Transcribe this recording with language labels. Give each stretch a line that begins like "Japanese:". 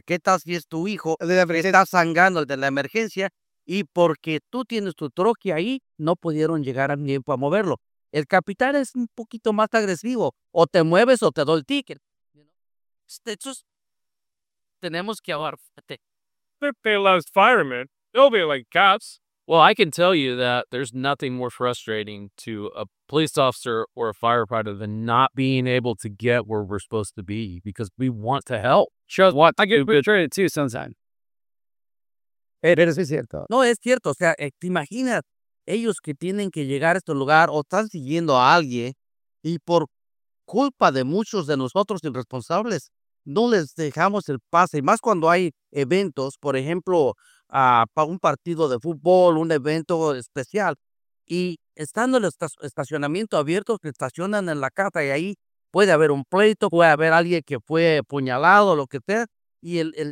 Spanish: ¿Qué tal si es tu hijo? Está sangrando el de la emergencia y porque tú tienes tu troque ahí, no pudieron llegar a tiempo a moverlo. El capitán es un poquito más agresivo, o te mueves o te doy el ticket. Entonces, tenemos que hablar.
English: They lost firemen. They'll be like cops. Well, I can tell you that there's nothing more frustrating to a police officer or a firefighter than not being able to get where we're supposed to be because we want to help. I get frustrated too sometimes.
Spanish: Pero sí es cierto. No, es cierto. O sea, te imaginas ellos que tienen que llegar a este lugar o están siguiendo a alguien y por culpa de muchos de nosotros irresponsables no les dejamos el pase. Y más cuando hay eventos, por ejemplo, para un partido de fútbol, un evento especial, y estando en el estacionamiento abierto, se estacionan en la casa y ahí puede haber un pleito, puede haber alguien que fue apuñalado, lo que sea, y